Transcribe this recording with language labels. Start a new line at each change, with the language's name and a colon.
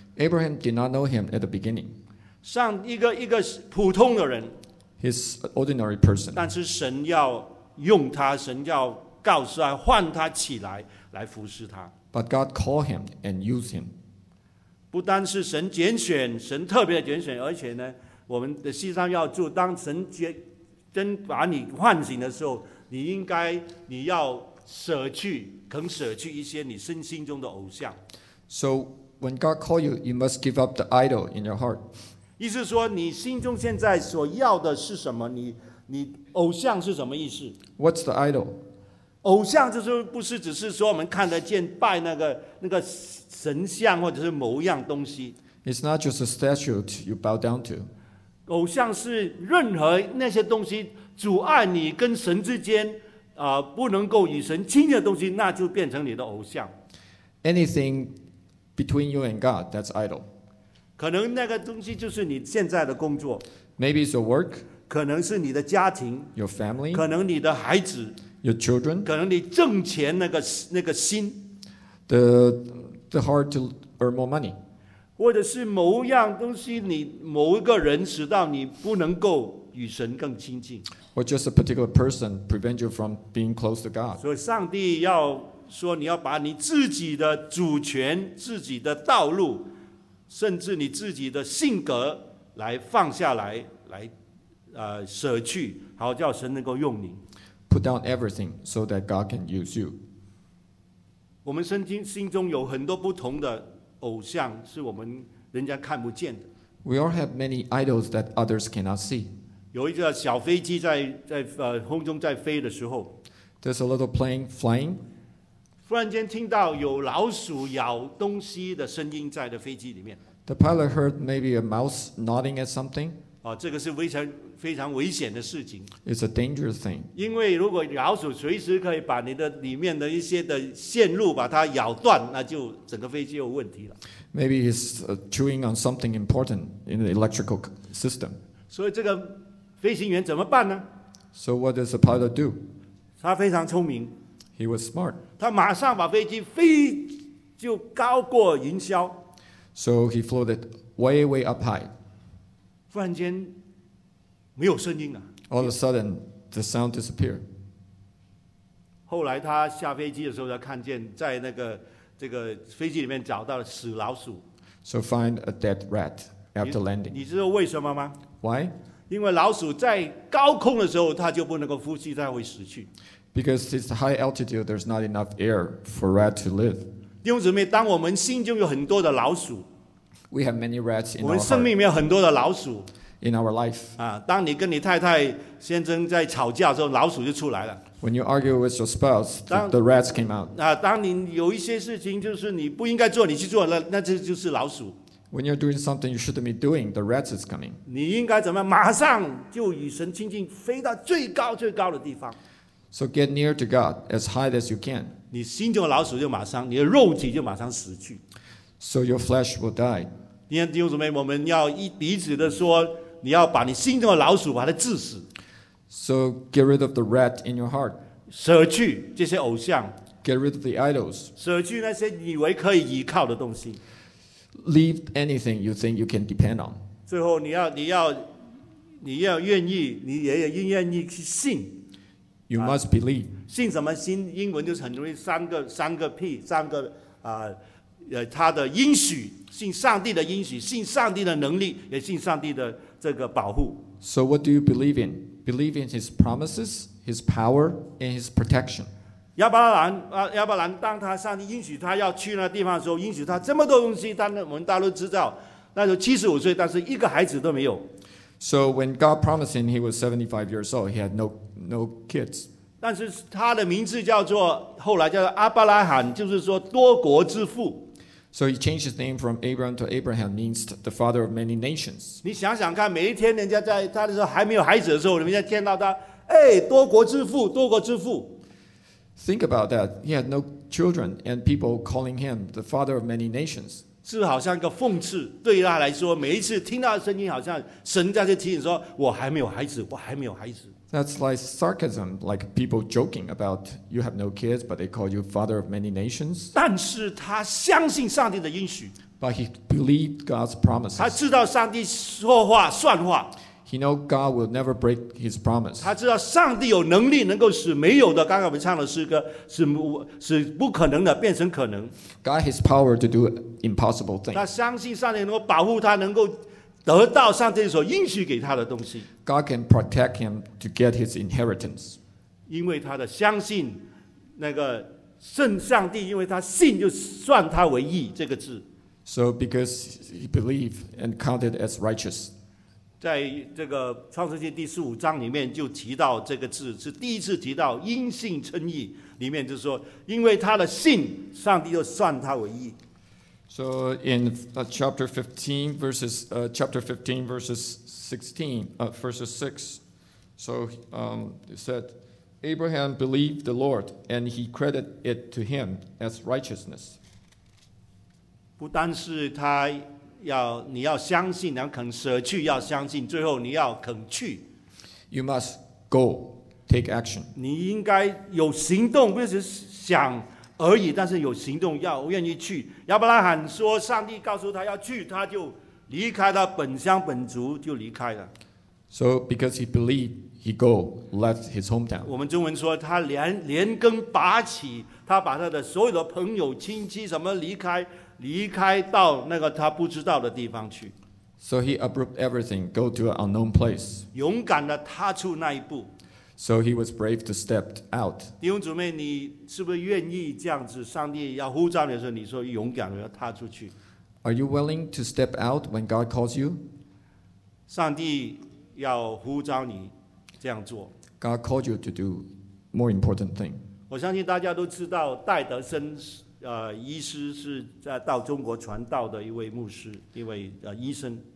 English: Abraham did not know him at the beginning.
Chinese: 像一个普通的人。
English: He's an ordinary person.
Chinese: 但是神要用他，神要告诉他，唤他起来，来服侍他。
English: But God called him and used him.
Chinese: 不单是神拣选，神特别拣选，而且呢，我们的事上要做，当神真把你唤醒的时候，你要舍去，肯舍去一些你身心中的偶像。
English: So when God calls you, you must give up the idol in your heart.
Chinese: 意思说，你心中现在所要的是什么？你偶像是什么意思
English: ？What's the idol?
Chinese: 偶像就是不是只是说我们看得见拜那个神像或者是某一样东西。
English: It's not just a statue you bow down to.
Chinese: 偶像是任何那些东西阻碍你跟神之间。不能够与神亲近的东西，那就变成你的偶像。
English: Anything between you and God, that's idol.
Chinese: 可能那个东西就是你现在的工作。
English: Maybe it's your work.
Chinese: 可能是你的家庭
English: your family,
Chinese: 可能你的孩子
English: your children,
Chinese: 可能你挣钱那个心
English: the heart to earn more money,
Chinese: 或者是某样东西你某一个人使到你不能够与神更亲近
English: or just a particular person prevent you from being close to God.
Chinese: 所以上帝要说你要把你自己的主权自己的道路甚至你自己的性格来放下来来、舍去好叫神能够用你
English: Put down everything so that God can use you.
Chinese: 我们心中有很多不同的偶像是我们人家看不见的
English: We all have many idols that others cannot see.
Chinese: 有一个小飞机 在空中在飞的时候
English: There's a little plane flying.
Chinese: 突然间听到有老鼠咬东西的声音在的飞机里面。
English: The pilot heard maybe a mouse gnawing at something.
Chinese: 哦，这个是非常危险的事情。
English: It's a dangerous thing.
Chinese: 因为如果老鼠随时可以把你的里面的一些的线路把它咬断，那就整个飞机有问题了。
English: Maybe he's chewing on something important in the electrical system.
Chinese: 所以这个飞行员怎么办呢
English: ？So what does the pilot do?
Chinese: 他非常聪明。
English: He was smart.
Chinese: 他马上把飞机飞就高过云霄。
English: So he floated way, way up high.
Chinese: 突然间没有声音了。
English: All of a sudden, the sound disappeared.
Chinese: 后来他下飞机的时候，他看见在那个这个飞机里面找到了死老鼠。
English: So find a dead rat after landing.
Chinese: 你知道为什么吗
English: ？Why?
Chinese: 因为老鼠在高空的时候，它就不能够呼吸，它会死去。
English: Because it's high altitude, there's not enough air for rat to live.
Chinese: 弟兄姊妹，当我们心中有很多的老鼠
English: ，we have many rats in our
Chinese: 我们生命里面有很多的老鼠
English: in our life.
Chinese: 啊，当你跟你太太先生在吵架的时候，老鼠就出来了。
English: When you argue with your spouse, the rats came out.
Chinese: 啊，当你有一些事情就是你不应该做，你去做了，那这就是老鼠。
English: When you're doing something you shouldn't be doing, the rats is coming.
Chinese: 你应该怎么样？马上就与神亲近，飞到最高最高的地方。
English: So get near to God as high as you can.
Chinese: 你心中的老鼠就马上，你的肉体就马上死去。
English: So your flesh will die.
Chinese: 你看弟兄姊妹，我们要彼此的说，你要把你心中的老鼠把它治死。
English: So get rid of the rat in your heart.
Chinese: 舍去这些偶像。
English: Get rid of the idols.
Chinese: 舍去那些以为可以依靠的东西。
English: Leave anything you think you can depend on.
Chinese: 最后你要愿意，你也要愿意去信。
English: You must believe.
Chinese: 信什么信？英文就是很容易三个 P 三个他的应许，信上帝的应许，信上帝的能力，也信上帝的这个保护。
English: So what do you believe in? Believe in His promises, His power, and His protection.
Chinese: 亚伯兰，当他上帝应许他要去那地方的时候，应许他这么多东西，但我们大陆知道，那时候75岁，但是一个孩子都没有。
English: So when God promised him, he was 75 years old. He had no kids.
Chinese: 但是他的名字叫做后来叫做亚伯拉罕，就是说多国之父。
English: So he changed his name from Abraham to Abraham, means the father of many nations.
Chinese: 你想想看，每一天人家在他的时候还没有孩子的时候，人家见到他，多国之父，多国之父。
English: Think about that. He had no children, and people calling him the father of many nations.
Chinese: 是好像一个讽刺，对他来说，每一次听到的声音，好像神在这提醒说：“我还没有孩子，我还没有孩子。”
English: That's like sarcasm, like people joking about you have no kids, but they call you father of many nations.
Chinese: 但是他相信上帝的应许。
English: But he believed God's promises.
Chinese: 他知道上帝说话算话。
English: He knows God will never break His promise.
Chinese: 他知道上帝有能力能够使没有的，刚刚我们唱的诗歌，使不可能的变成可能。
English: God has power to do impossible things.
Chinese: 他相信上帝能够保护他，能够得到上帝所应许给他的东西。
English: God can protect him to get his inheritance.
Chinese: 因为他的相信那个圣上帝，因为他信就算他为义这个字。
English: So because he believed and counted as righteous.
Chinese: 在这个创世纪第15章里面就提到这个字，是第一次提到因信称义，里面就说因为他的信，上帝就算他为义。
English: So in chapter 15 verses chapter 15 verses 16 verses 6, so it said Abraham believed the Lord and he credited it to him as righteousness.
Chinese: 不单是他。要你要相信，然后肯舍去，要相信，最后你要肯去。
English: You must go, take action.
Chinese: 你应该有行动，不是想而已，但是有行动，要愿意去。亚伯拉罕说，上帝告诉他要去，他就离开他本乡本族，就离开了。
English: So because he believed, he go, left his hometown.
Chinese: 我们中文说，他连根拔起，他把他的所有的朋友、亲戚什么离开到那个他不知道的地方去。
English: So he abrupt everything, go to an unknown place.
Chinese: 勇敢地踏出那一步。
English: So he was brave to step out.
Chinese: 弟兄姊妹，你是不是愿意这样子？上帝要呼召你的时候，你说勇敢地踏出去。
English: Are you willing to step out when God calls you?
Chinese: 上帝要呼召你这样做。
English: God called you to do more important thing.
Chinese: 我相信大家都知道戴德森。医师是在到中国传道的一位牧师，一位医生。